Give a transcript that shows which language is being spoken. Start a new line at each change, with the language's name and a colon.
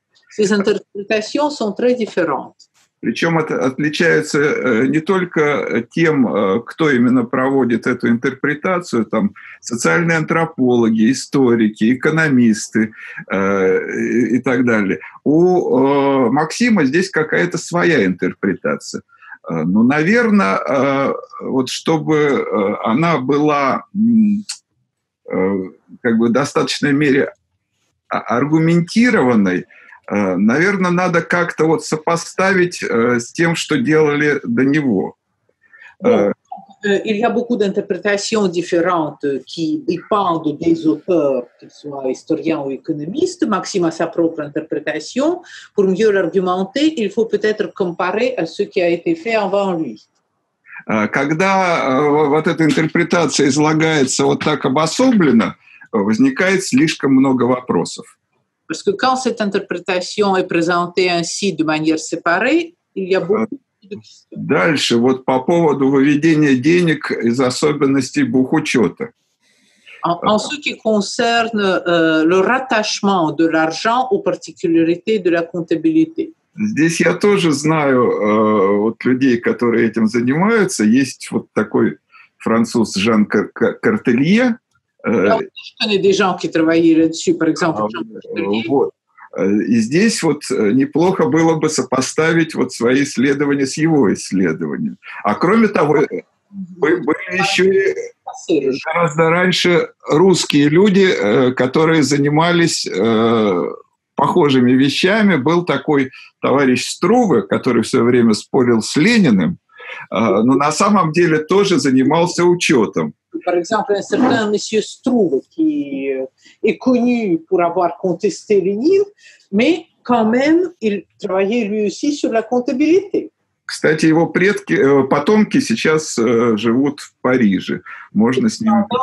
French: Ces interprétations sont très différentes.
Russian: Причем это отличается не только тем, кто именно проводит эту интерпретацию, там социальные антропологи, историки, экономисты и так далее. У Максима здесь какая-то своя интерпретация. Но, наверное, вот чтобы она была как бы в достаточной мере аргументированной, наверное, надо как-то вот сопоставить с тем, что делали до него.
French: Il y a beaucoup d'interprétations différentes qui dépendent des auteurs, qu'ils soient historiens ou économistes. Maxime a sa propre interprétation. Pour mieux l'argumenter, il faut peut-être comparer à ce qui a été fait avant lui.
Russian: Когда вот эта интерпретация излагается вот так обособленно, возникает слишком много вопросов.
French: Parce que quand cette interprétation est présentée ainsi de manière séparée, il y a beaucoup de questions.
Russian: Дальше, вот по поводу выведения денег из особенностей бухучета.
French: En ce qui concerne le rattachement de l'argent aux particularités de la comptabilité.
Russian: Здесь я тоже знаю вот людей, которые этим занимаются. Есть вот такой француз Жан Картелье. Я знаю, что есть люди, которые работали над этим, например, Жан Картелье. И здесь вот неплохо было бы сопоставить вот свои исследования с его исследованием. А кроме того, были еще и гораздо раньше русские люди, которые занимались похожими вещами. Был такой товарищ Струве, который все время спорил с Лениным, но на самом деле тоже занимался учетом.
French: Par exemple, un certain monsieur Struve qui est connu pour avoir contesté Lénine, mais quand même, il travaillait lui aussi sur la comptabilité.
Russian: Кстати, его предки, потомки сейчас живут в Париже. Можно с ним...